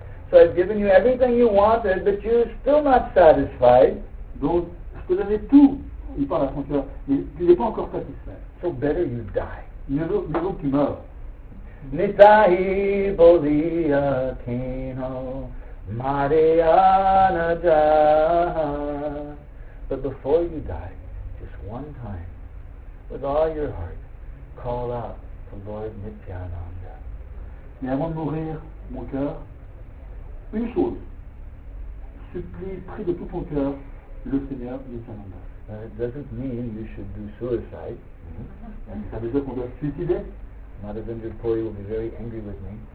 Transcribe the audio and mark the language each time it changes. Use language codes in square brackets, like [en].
[en] So I've given you everything you wanted, but you're still not satisfied. [fr] Donc, je te donnais tout. Il parle à son cœur, mais tu n'es pas encore satisfait. [en] So better you die. [fr] Mieux vaut que tu meurs. [bn] Nitahi bolia keno mariana ja. [en] But before you die, just one time, with all your heart, call out. Lord Nityananda. [fr] Mais avant de mourir, mon cœur, une chose, supplie, prie de tout ton cœur, le Seigneur Nityananda. [en] It doesn't mean you should do suicide. [fr] Mm-hmm. Ça veut dire qu'on doit se suicider. [en] Madhavendra Puri will be very angry with me.